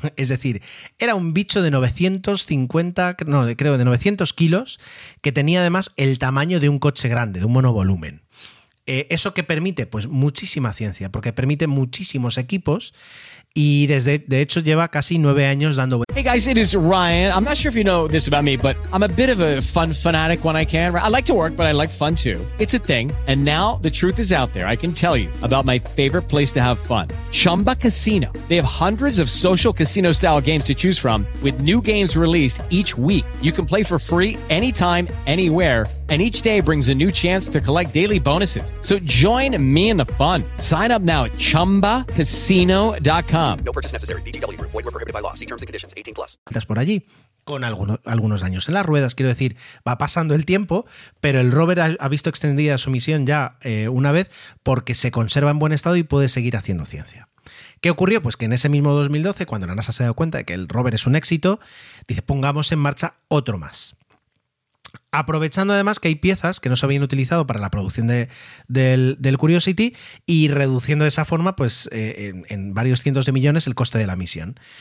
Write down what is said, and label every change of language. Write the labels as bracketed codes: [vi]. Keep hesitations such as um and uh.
[es] Es decir, era un bicho de 950, no, de, creo, de 900 kilos, que tenía además el tamaño de un coche grande, de un monovolumen. Eh, qué permite? Pues muchísima ciencia, porque permite muchísimos equipos y desde, de hecho lleva casi nueve años dando... [en] Hey guys, it is Ryan. I'm not sure if you know this about me, but I'm a bit of a fun fanatic when I can. I like to work, but I like fun too. It's a thing. And now the truth is out there. I can tell you about my favorite place to have fun. Chumba Casino. They have hundreds of social casino style games to choose from with new games released each week. You can play for free anytime, anywhere and each day brings a new chance to collect daily bonuses. So join me in the fun. Sign up now at ChumbaCasino.com. No purchase necessary. BGW. were prohibited by law. See terms and conditions. 18 plus. [es] Estás por allí con algunos, algunos daños en las ruedas. Quiero decir, va pasando el tiempo, pero el rover ha, ha, visto extendida su misión ya eh, una vez porque se conserva en buen estado y puede seguir haciendo ciencia. ¿Qué ocurrió? Pues que en ese mismo 2012, cuando la NASA se ha dado cuenta de que el rover es un éxito, dice, pongamos en marcha otro más aprovechando además que hay piezas que no se habían utilizado para la producción de, de, del, del, Curiosity y reduciendo de esa forma, pues eh, en, en, varios cientos de millones, el coste de la misión.